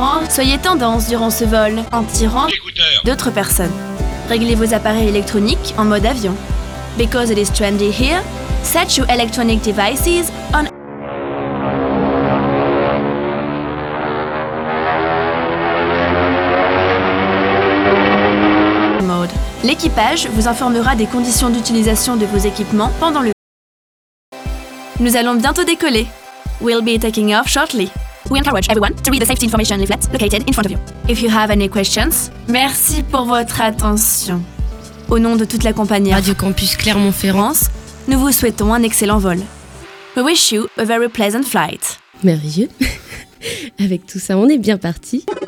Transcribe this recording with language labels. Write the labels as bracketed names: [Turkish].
[French] Soyez tendance durant ce vol en tirant écouteurs d'autres personnes. Réglez vos appareils électroniques en mode avion. [English] Because it is trendy here, set your electronic devices on. [French] L'équipage vous informera des conditions d'utilisation de vos équipements pendant le. Nous allons bientôt décoller. [English] We'll be taking off shortly. We encourage everyone to read the safety information leaflet located in front of you. If you have any questions, [French] merci pour votre attention. Au nom de toute la compagnie Radio Campus Clermont-Ferrand, nous vous souhaitons un excellent vol. [English] We wish you a very pleasant flight. [French] Merveilleux. Avec tout ça, on est bien partis.